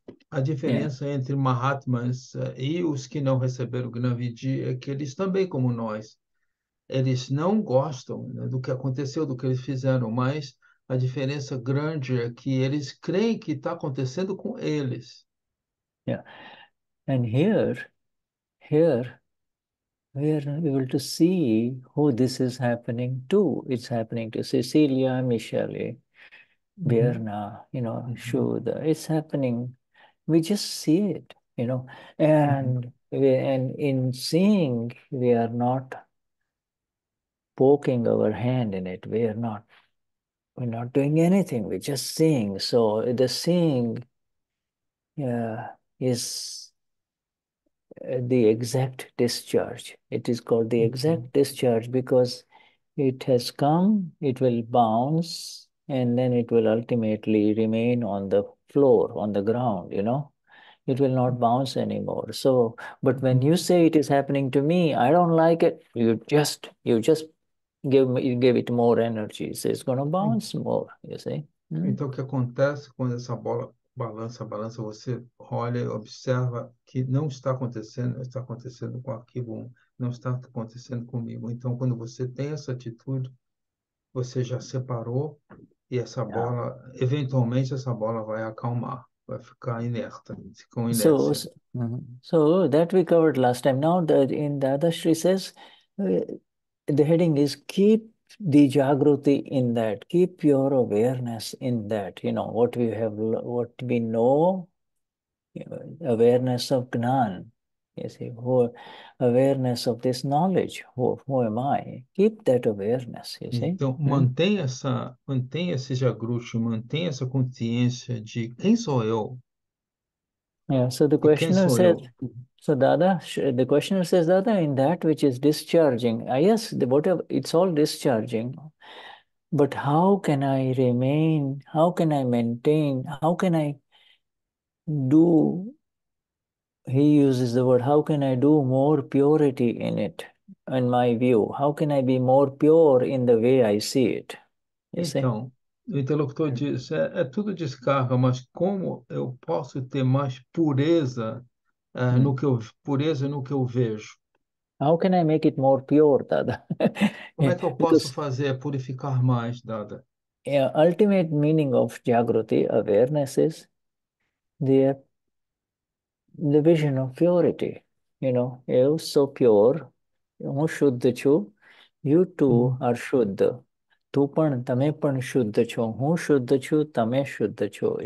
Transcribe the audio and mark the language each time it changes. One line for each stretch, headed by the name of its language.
Portuguese: A diferença entre Mahatmas e os que não receberam o Gnan Vidhi é que eles também, como nós, eles não gostam, né, do que aconteceu, do que eles fizeram, mas a diferença grande é que eles creem que está acontecendo com eles.
English: And here we are able to see who this is happening to. It's happening to Cecilia, Michele, Berna, you know, Shuddha. It's happening. We just see it, you know. And in seeing, we are not poking our hand in it. We're not doing anything. We're just seeing. So the seeing, is the exact discharge. It is called the exact discharge because it has come, it will bounce, and then it will ultimately remain on the floor, on the ground, you know. It will not bounce anymore. So, but when you say it is happening to me, I don't like it, you just give it more energy. So it's going to bounce more, you see.
Portuguese: Então, o que acontece quando essa bola balança, você olha e observa que não está acontecendo, está acontecendo com aquilo, não está acontecendo comigo. Então, quando você tem essa atitude, você já separou e essa bola, eventualmente, essa bola vai acalmar, vai ficar inerta, com inércia.
English: So, that we covered last time. Now, in Dadashri says, the heading is keep the Jagruti in that, keep your awareness in that, you know, what we know, awareness of Gnan, you see, who, awareness of this knowledge, who am I, keep that awareness, you see.
Portuguese: Então, mantém esse Jagruti, mantém essa consciência de quem sou eu.
English: The questioner says, Dada, in that which is discharging, it's all discharging, but how can I remain, how can I maintain, how can I do, he uses the word, how can I do more purity in it, in my view, how can I be more pure in the way I see it?
Portuguese: O interlocutor diz, é tudo descarga, mas como eu posso ter mais pureza, pureza no que eu vejo?
English: How can I make it more pure, Dada?
Portuguese: Como é que eu posso fazer purificar mais, Dada?
English: The ultimate meaning of Jagruti, awareness, is the vision of purity. You know,
Portuguese: eu sou
English: pure,
Gujarati: hu shuddha chu,
English: you too are shuddha.
Gujarati: Tu pan, tame pan shuddha chu, hu shuddha chu, tame shuddha chu.